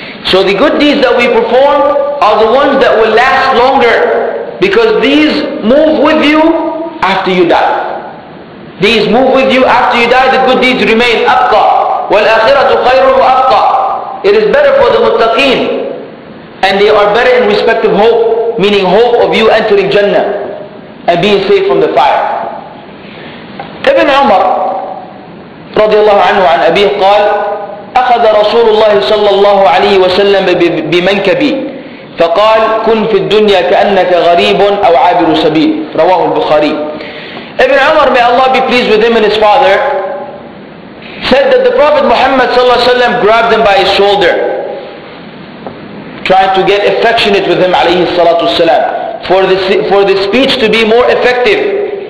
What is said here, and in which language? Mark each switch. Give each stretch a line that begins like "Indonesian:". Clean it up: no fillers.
English: So the good deeds that we perform are the ones that will last longer, because these move with you after you die. These move with you after you die, the good deeds remain.
Arabic: أبقى وَالْآخِرَةُ خَيْرٌ وَأَبْقَى.
English: It is better for the muttaqeen. And they are better in respect of hope, meaning hope of you entering Jannah and being saved from the fire.
Arabic: Ibn Umar radiallahu anhu an abih qal, أخذ رسول الله صلى الله عليه وسلم بمنكبي فقال كن في الدنيا كأنك غريب أو عابر سبيل. رواه البخاري.
English: Ibn Umar, may Allah be pleased with him and his father, said that the Prophet Muhammad صلى الله عليه وسلم grabbed him by his shoulder, trying to get affectionate with him alayhi salatu wasalam, for the speech to be more effective.